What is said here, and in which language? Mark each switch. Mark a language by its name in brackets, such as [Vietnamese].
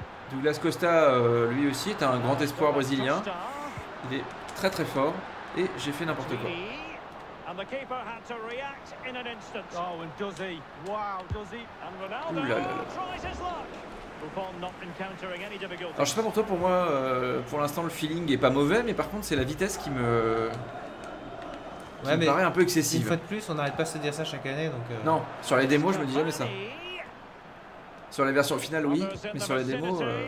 [French] Douglas Costa, lui aussi, est un grand espoir brésilien. Il est très fort et j'ai fait n'importe quoi. [English] And the keeper had to react in an instant. Oh, and does he? Wow, does he? And Ronaldo tries his luck. Buffon not encountering any difficulty. [French] Alors je sais pas pour toi, pour moi, pour l'instant le feeling est pas mauvais, mais par contre c'est la vitesse qui me paraît un peu excessive. Une fois de plus, on n'arrête pas de se dire ça chaque année, donc. Non, sur les démos je me dis jamais ça. Sur les versions finales oui, mais sur les démos.